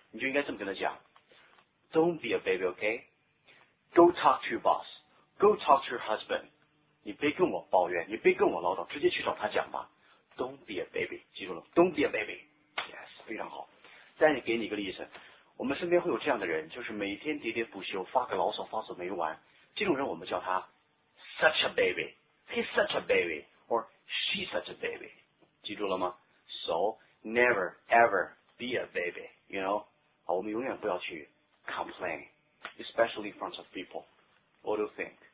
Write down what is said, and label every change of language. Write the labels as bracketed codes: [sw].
[zh] 你就应该这么跟他讲, [en] don't be a baby, okay? Go talk to your boss, go talk to your husband, [zh] 你别跟我抱怨，你别跟我唠叨，直接去找他讲吧。 [en] Don't be a baby， [zh] 记住了 [en] ，Don't be a baby。 Yes， [zh] 非常好。再给你个例子，我们身边会有这样的人，就是每天喋喋不休，发个牢骚，发作没完。这种人我们叫他 [en] such a baby， he's such a baby， or she's such a baby。 [zh] 记住了吗 [en] ？So never ever be a baby， you know？ [zh] 好，我们永远不要去 [en] complain， especially in front of people。 What do you think?